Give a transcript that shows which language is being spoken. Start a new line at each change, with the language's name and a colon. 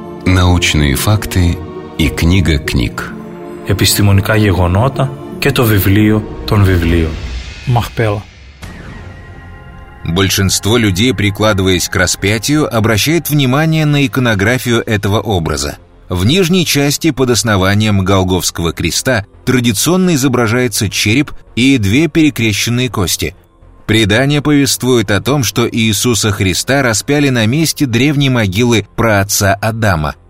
Russian: Научные факты и книга книг.
Greek: Επιστημονικά γεγονότα και το βιβλίο των βιβλίων.
Russian: Махпела. Большинство людей, прикладываясь к распятию, обращают внимание на иконографию этого образа. В нижней части под основанием Голгофского креста традиционно изображается череп и две перекрещенные кости. Предание повествует о том, что Иисуса Христа распяли на месте древней могилы праотца Адама.